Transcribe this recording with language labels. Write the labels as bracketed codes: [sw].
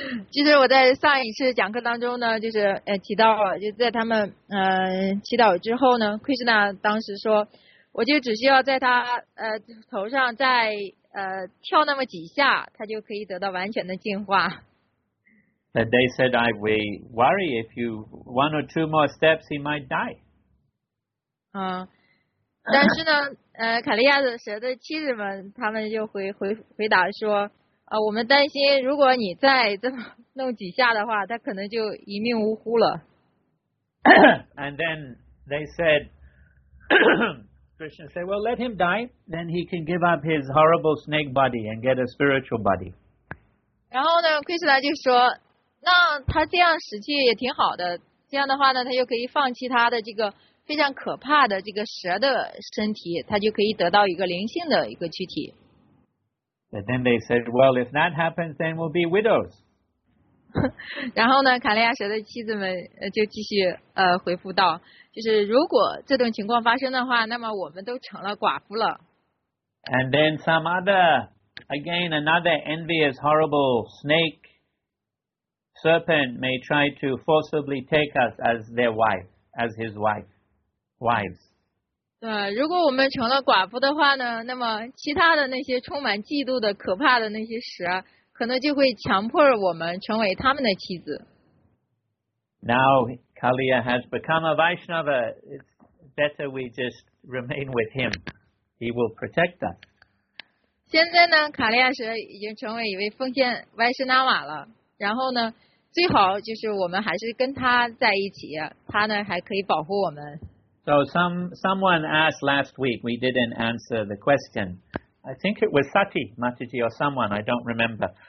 [zh] 就是我在上一次讲课当中呢，就是提到了，就在他们祈祷之后呢，奎斯纳当时说，我就只需要在他头上再跳那么几下，他就可以得到完全的净化。 [en] But they said, I will worry if you one or two more steps, he might die. [zh] 但是呢，卡利亚的蛇的妻子们，他们就回答说。我们担心如果你再这么弄几下的话，他可能就一命呜呼了。 [en] And then they said, Krishna said, well, let him die, then he can give up his horrible snake body and get a spiritual body. [zh] 然后呢，奎斯拉就说，那他这样死去也挺好的，这样的话呢，他就可以放弃他的这个非常可怕的这个蛇的身体，他就可以得到一个灵性的一个躯体。 [en] But then they said, well, if that happens, then we'll be widows. [zh] 然后呢，卡利亚蛇的妻子们就继续回复道，就是如果这种情况发生的话，那么我们都成了寡妇了。 [en] And then some other, again, another envious, horrible snake, serpent may try to forcibly take us as their wife, as his wife, wives. [zh] 如果我们成了寡妇的话呢，那么其他的那些充满嫉妒的可怕的那些蛇，可能就会强迫我们成为他们的妻子。 [en] Now Kaliya has become a Vaishnava. It's better we just remain with him. He will protect us. [zh] 现在呢，卡利亚蛇已经成为一位奉献 Vaishnava 了。然后呢，最好就是我们还是跟他在一起，他呢还可以保护我们。 [en] So someone asked last week, we didn't answer the question. I think it was Sati, Mataji or someone, I don't remember.